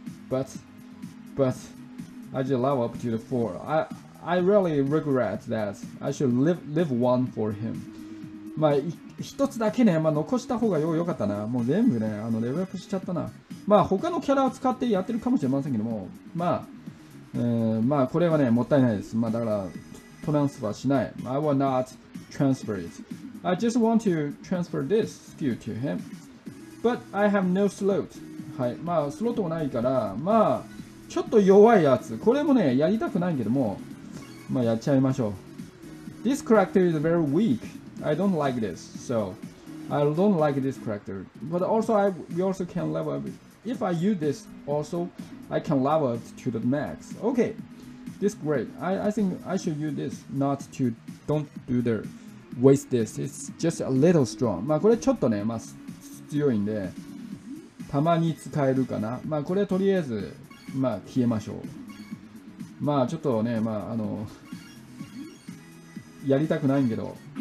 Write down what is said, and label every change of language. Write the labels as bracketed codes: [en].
[en] But, I just love up to the four. I really regret that. I should leave one for him. [ja] まあ、一つだけね、まあ、残した方がよかったな。もう全部ね、あの、レベルアップしちゃったな。まあ、他のキャラを使ってやってるかもしれませんけども、まあ、まあ、これはね、もったいないです。まあ、だから、トランスファーしない。 [en] I will not transfer it. I just want to transfer this skill to him. But I have no slot. はい。 [ja] まあ、スロットもないから、まあ、ちょっと弱いやつ。これもね、やりたくないけども、まあ、やっちゃいましょう。 [en] This character is very weak. I don't like this, so I don't like this character. But also, we also can level up. If I use this, also, I can level up to the max. Okay, this is great. I think I should use this, not to don't do the waste this. It's just a little strong. [ja] まあこれちょっとね、まあ強いんで、たまに使えるかな。まあこれとりあえず、まあ消えましょう。まあちょっとね、まああの、やりたくないんけど。